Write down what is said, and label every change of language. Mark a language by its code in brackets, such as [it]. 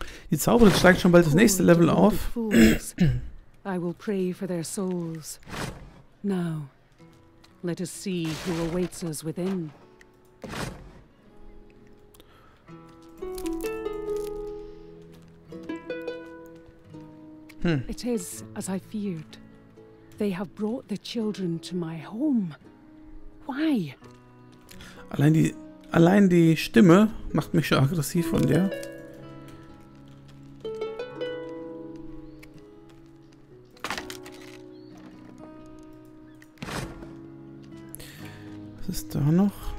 [de] Die Zauberin steigt schon bald das nächste Level auf. [en] I will pray for their souls. Now, let us see who awaits us within. It is as I feared. They have brought the children to my home. Why? [de] Allein die Stimme macht mich schon aggressiv von der. Was ist da noch?